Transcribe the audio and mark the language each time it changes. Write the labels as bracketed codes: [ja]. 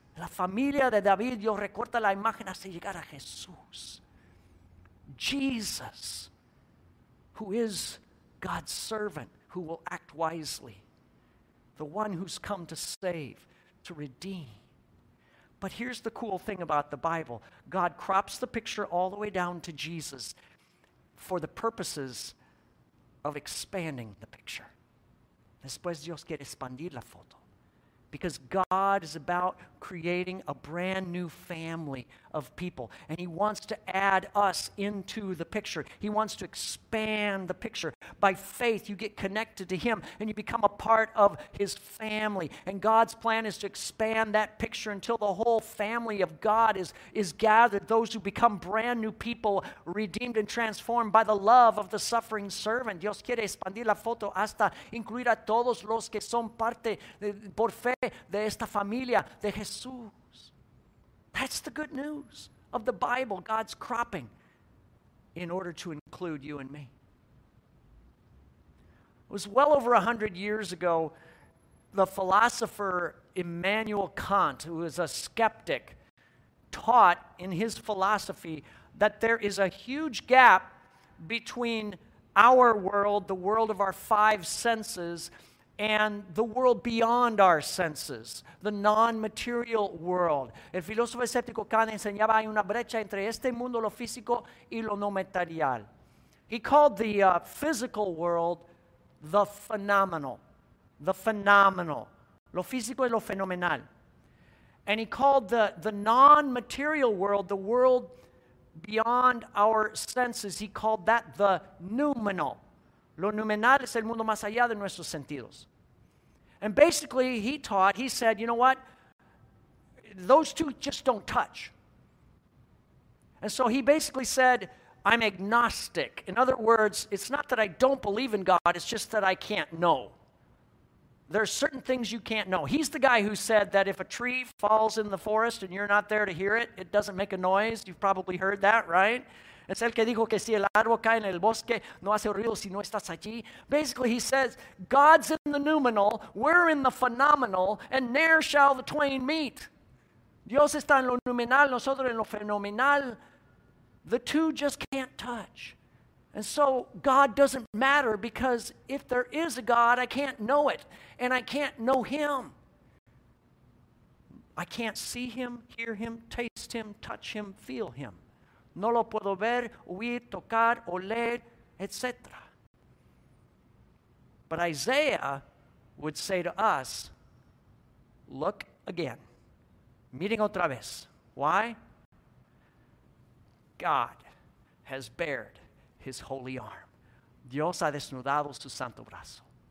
[es] La familia de David, Dios recorta la imagen hasta llegar a Jesús. [en] Jesus, who is God's servant, who will act wisely, the one who's come to save, to redeem. But here's the cool thing about the Bible. God crops the picture all the way down to Jesus for the purposes of expanding the picture. [es] Después Dios quiere expandir la foto. [en] Because God is about creating a brand new family of people. And he wants to add us into the picture. He wants to expand the picture. By faith, you get connected to him and you become a part of his family. And God's plan is to expand that picture until the whole family of God is gathered. Those who become brand new people, redeemed and transformed by the love of the suffering servant. [es] Dios quiere expandir la foto hasta incluir a todos los que son parte por fe de esta familia de Jesús. [en] That's the good news of the Bible, God's cropping in order to include you and me. It was well over 100 years ago, the philosopher Immanuel Kant, who was a skeptic, taught in his philosophy that there is a huge gap between our world, the world of our five senses, and the world beyond our senses, the non-material world. [es] El filósofo escéptico Kant enseñaba hay una brecha entre este mundo, lo físico, y lo no material. [en] He called the physical world the phenomenal. The phenomenal. [es] Lo físico es lo fenomenal. [en] And he called the non-material world, the world beyond our senses, he called that the noumenal. [es] Lo noumenal es el mundo más allá de nuestros sentidos. [en] And basically, he said, you know what? Those two just don't touch. And so he basically said, I'm agnostic. In other words, it's not that I don't believe in God, it's just that I can't know. there's certain things you can't know. He's the guy who said that if a tree falls in the forest and you're not there to hear it, it doesn't make a noise. You've probably heard that, right? [es] Es el que dijo que si el árbol cae en el bosque, no hace ruido si no estás allí. [en] Basically, he says, God's in the noumenal, we're in the phenomenal, and ne'er shall the twain meet. [es] Dios está en lo noumenal, nosotros en lo fenomenal. [en] The two just can't touch. And so God doesn't matter, because if there is a God, I can't know it, and I can't know him. I can't see him, hear him, taste him, touch him, feel him. [es] No lo puedo ver, oír, tocar, oler, etc. [en] But Isaiah would say to us, look again. [es] Miren otra vez. [en] Why? God has bared his holy arm. [es] Dios ha desnudado su santo brazo.